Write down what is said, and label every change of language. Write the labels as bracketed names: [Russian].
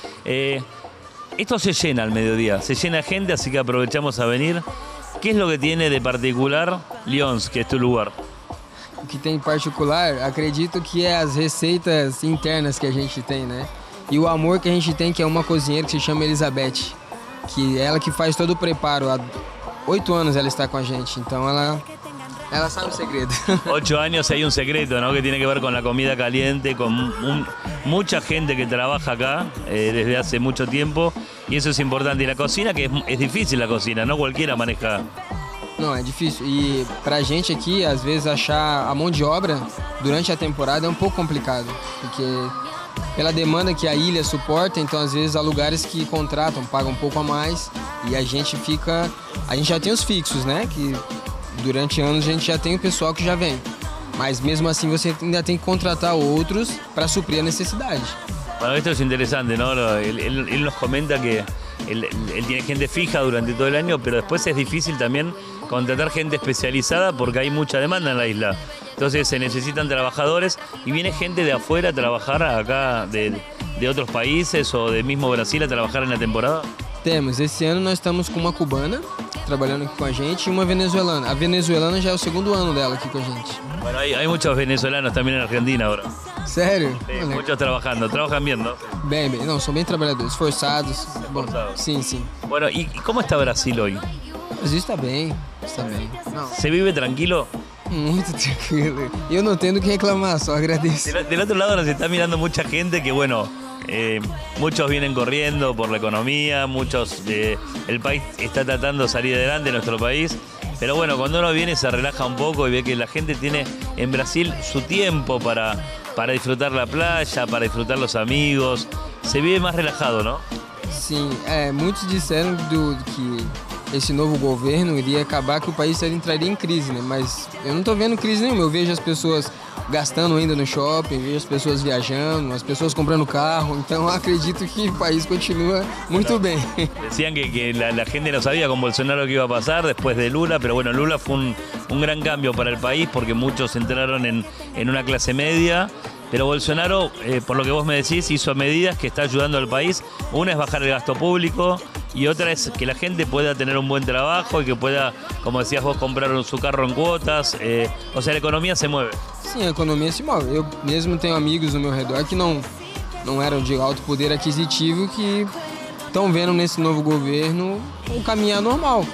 [Spanish] Esto se llena al mediodía, se llena gente, así que aprovechamos a venir. ¿Qué es lo que tiene de particular Lyons, que es tu lugar? Lo que tiene en particular, acredito que es las receitas internas que a gente tiene, ¿no? Y el amor que a gente tiene, que es una cocinera que se llama Elizabeth, que es ella que hace todo el preparo. 8 años [Portuguese] ela está com a gente, então ela sabe o segredo. [Spanish] 8 años [Portuguese] e há um segredo, não? Que tem a ver com a comida [Spanish] caliente, [Portuguese] com muita gente que trabalha [Spanish] acá desde hace [Portuguese] muito tempo, e isso é importante. E a cocina, que é difícil a cocina, não qualquer maneja. Não, é difícil. E para a gente aqui, às vezes, achar a mão de obra durante a temporada é um pouco complicado, porque pela demanda que a ilha suporta, então às vezes há lugares que contratam, pagam um pouco a mais. E a gente fica. A gente já tem os fixos, né? Que durante anos a gente já tem o pessoal que já vem. Mas mesmo assim você ainda tem que contratar outros para suprir a necessidade. [Spanish] Bueno, [Portuguese] isso é interessante, né? Ele nos comenta que [Spanish] él tiene gente fija durante todo el año, pero después es difícil también contratar gente especializada porque hay mucha demanda en la isla. Entonces se necesitan trabajadores y viene gente de afuera a trabajar acá, de otros países o del mismo Brasil a trabajar en la temporada. [Portuguese] Temos, esse ano nós estamos com uma cubana trabalhando aqui com a gente e uma venezuelana. A venezuelana já é o segundo ano dela aqui com a gente. [Spanish] Bueno, hay muchos venezolanos también en Argentina ahora. [Portuguese] Sério? [Spanish] Sí, vale. Muchos trabajando, trabajan bien, ¿no? [Portuguese] Bem, bem, não, são bem trabalhadores, esforçados. Bom, sim, sim. [Spanish] Bueno, [Portuguese] e como está Brasil hoje? Brasil está bem, está bem. Você vive tranquilo? Muito tranquilo. Eu não tenho o que reclamar, só agradeço. [Spanish] Del outro lado nos está mirando [Portuguese] muita gente [Spanish] que, bueno... muchos vienen corriendo por la economía, muchos el país está tratando de salir adelante, nuestro país, pero bueno, cuando uno viene se relaja un poco y ve que la gente tiene en Brasil su tiempo para disfrutar la playa, para disfrutar los amigos, se vive más relajado, ¿no? Sí, muchos dijeron [Portuguese] que esse novo governo iria acabar que o país entraria em crise, né? Mas eu não estou vendo crise nenhuma. Eu vejo as pessoas gastando ainda no shopping, vejo as pessoas viajando, as pessoas comprando carro. Então eu acredito que o país continua muito bem. [Spanish] Decían [Portuguese] que a gente não sabia com Bolsonaro o que ia passar depois de Lula, mas [Spanish] bueno, [Portuguese] Lula foi um grande [Spanish] cambio [Portuguese] para o país porque muitos entraram em uma classe média. [Spanish] Pero Bolsonaro, por lo que vos me decís, hizo medidas que está ayudando al país. Una es bajar el gasto público y otra es que la gente pueda tener un buen trabajo y que pueda, como decías vos, comprar su carro en cuotas. O sea, la economía se mueve. Sí, la economía se mueve. Yo mismo tengo amigos a mi alrededor que no eran de alto poder adquisitivo que están viendo en este nuevo gobierno un caminar normal.